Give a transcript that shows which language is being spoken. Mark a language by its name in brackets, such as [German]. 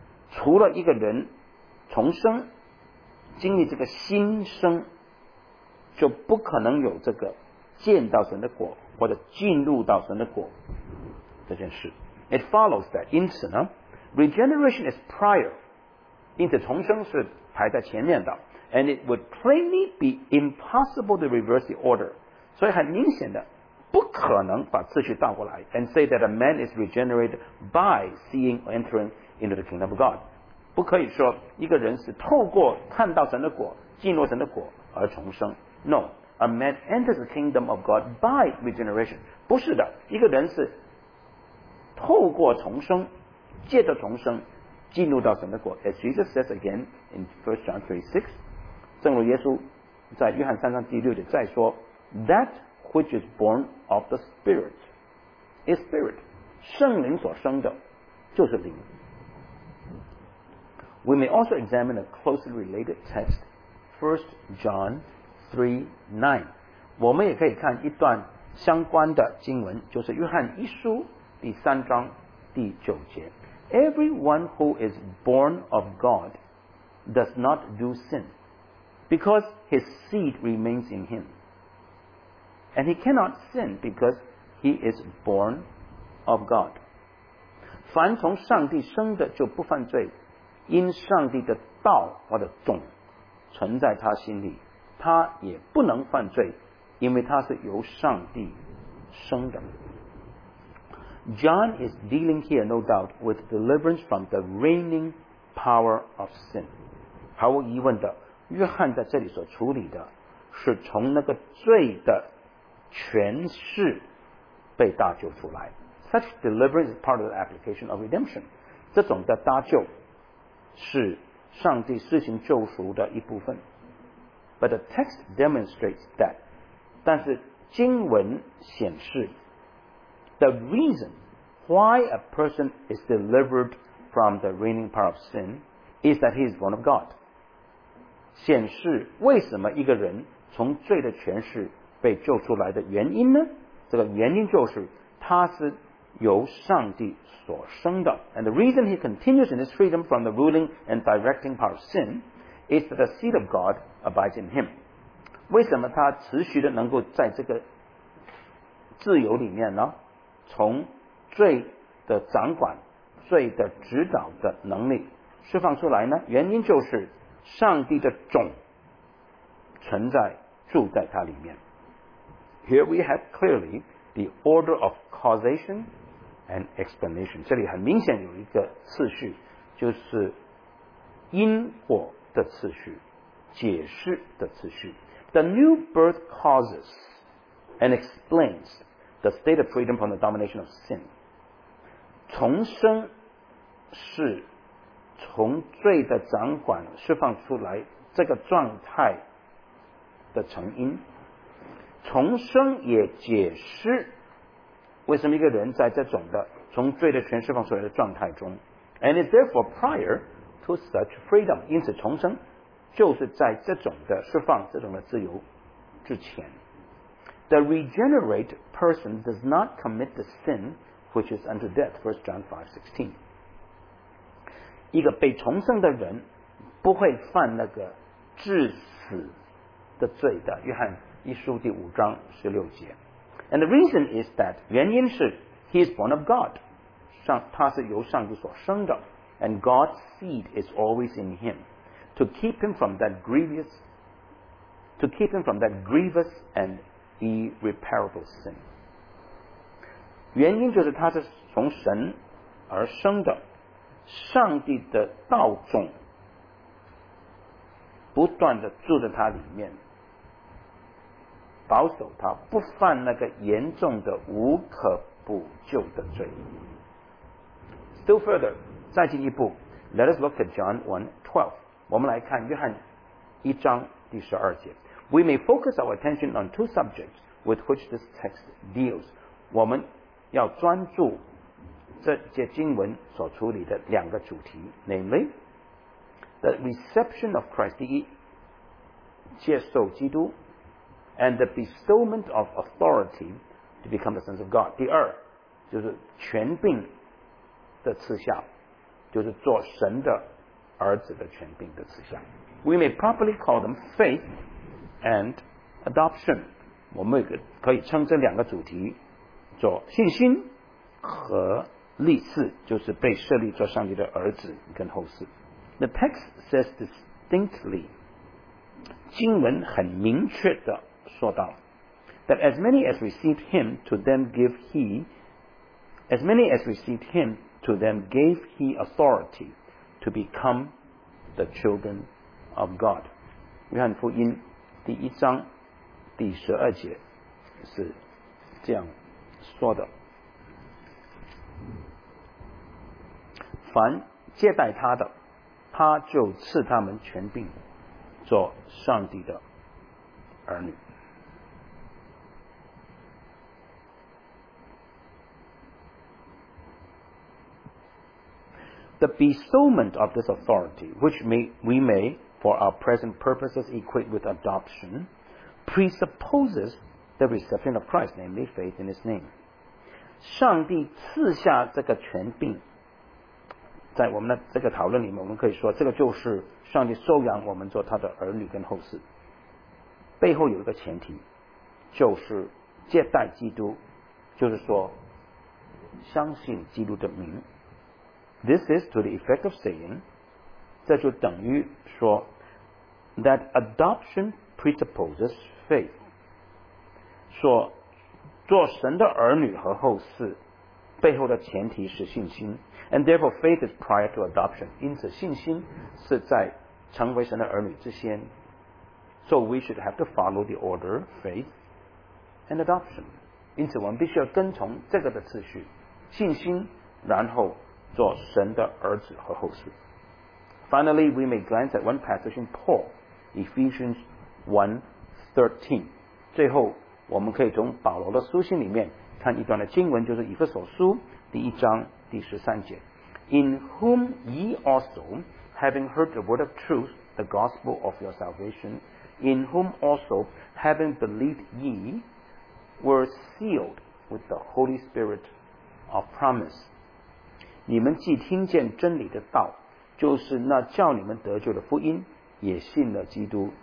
[Chinese] 除了一个人重生经历这个新生，就不可能有这个见到神的果或者进入到神的果这件事。 [English] It follows that [Chinese] 因此呢， [English] Regeneration is prior， [Chinese] 因此重生是排在前面的。 [English] And it would plainly be impossible to reverse the order， [Chinese] 所以很明显的不可能把次序倒过来。 [English] And say that a man is regenerated by seeing or entering into the kingdom of God， [Chinese] 不可以说一个人是透过看到神的果进入神的果而重生。 [English] No, a man enters the kingdom of God by regeneration. [Chinese] 不是的，一个人是透过重生，借着重生进入到神的果。 [English] As Jesus says again in 1 John 3:6， [Chinese] 正如耶稣在约翰三章第六节再说， [English] That which is born of the Spirit is Spirit， [Chinese] 圣灵所生的就是灵。 [English] We may also examine a closely related text, 1 John 3:9. [Chinese] 我们也可以看一段相关的经文，就是约翰一书第三章第九节。 [English] Everyone who is born of God does not do sin, because his seed remains in him. And he cannot sin because he is born of God. [Chinese] 凡从上帝生的就不犯罪，因上帝的道或者种存在他心里，他也不能犯罪，因为他是由上帝生的。 [English] John is dealing here no doubt with deliverance from the reigning power of sin. [Chinese] 毫无疑问的，约翰在这里所处理的是从那个罪的权势被搭救出来。 [English] Such deliverance is part of the application of redemption. [Chinese] 这种的搭救是上帝施行救赎的一部分。 [English] But the text demonstrates that， [Chinese] 但是经文显示 [English] The reason why a person is delivered from the reigning power of sin is that he is born of God， [Chinese] 显示为什么一个人从罪的权势被救出来的原因呢？这个原因就是他是由上帝所生的。 [English] And the reason he continues in his freedom from the ruling and directing power of sin is that the seed of God abides in him. [Chinese] 为什么他持续的能够在这个自由里面呢？从罪的掌管、罪的指导的能力释放出来呢？原因就是上帝的种存在、住在他里面。 [English] Here we have clearly the order of causation and explanation. [Chinese] 这里很明显有一个次序，就是因果的次序、解释的次序。 [English] The new birth causes and explains the state of freedom from the domination of sin. [Chinese] 重生是从罪的掌管释放出来这个状态的成因。重生也解释为什么一个人在这种的从罪的权释放出来的状态中。 [English] And is therefore prior to such freedom， [Chinese] 因此重生就是在这种的释放这种的自由之前。 [English] The regenerate person does not commit the sin which is unto death, 1 John 5:16. [Chinese] 一个被重生的人不会犯那个致死的罪的，约翰一书第五章十六节。 [English] And the reason is that [Chinese] 原因是 [English] he is born of God, [Chinese] 他是由上帝所生的。 [English] And God's seed is always in him to keep him from that grievous, to keep him from that grievous and irreparable sin. [Chinese] 原因就是他是从神而生的，上帝的道种不断地住在他里面，保守他不犯那个严重的无可补救的罪。 [English] Still further, [Chinese] 再进一步 [English] ，Let us look at John 1:12. [Chinese] 我们来看约翰一章第十二节。 [English] We may focus our attention on two subjects with which this text deals. [Chinese] 我们要专注这节经文所处理的两个主题 ， [English] namely the reception of Christ, [Chinese] 第一，接受基督。 [English] And the bestowment of authority to become the sons of God. [Chinese] 第二，就是权柄的赐下，就是做神的儿子的权柄的赐下。 [English] We may properly call them faith and adoption. [Chinese] 我们可以称这两个主题做信心和立誓，就是被设立做上帝的儿子跟后嗣。 [English] The text says distinctly. [Chinese] 经文很明确的说到 [English] that as many as received him to them give he as many as received him to them gave he authority to become the children of God. [Chinese] 约翰福音第一章第十二节是这样说的，凡接待他的他就赐他们权柄做上帝的儿女。 [English] The bestowment of this authority, which we may, for our present purposes, equate with adoption, presupposes the reception of Christ, namely faith in his name. [Chinese] 上帝赐下这个权柄，在我们的这个讨论里面，我们可以说，这个就是上帝收养我们做他的儿女跟后嗣。背后有一个前提，就是接待基督，就是说，相信基督的名。 [English] This is to the effect of saying, [Chinese] 这就等于说 [English] that adoption presupposes faith. [Chinese] 说做神的儿女和后嗣背后的前提是信心。 [English] And therefore faith is prior to adoption. [Chinese] 因此信心是在成为神的儿女之先。 [English] So we should have to follow the order faith and adoption. [Chinese] 因此我们必须要跟从这个的次序，信心然后做神的儿子和后嗣。 [English] Finally, we may glance at one passage in Paul, Ephesians 1:13. [Chinese] 最后我们可以从保罗的书信里面看一段的经文，就是以弗所书第一章第十三节。 [English] In whom ye also, having heard the word of truth, the gospel of your salvation, in whom also, having believed ye, were sealed with the Holy Spirit of promise. [Chinese] 你们既听见真理的道，就是那叫你们得救的福音，也信了基督。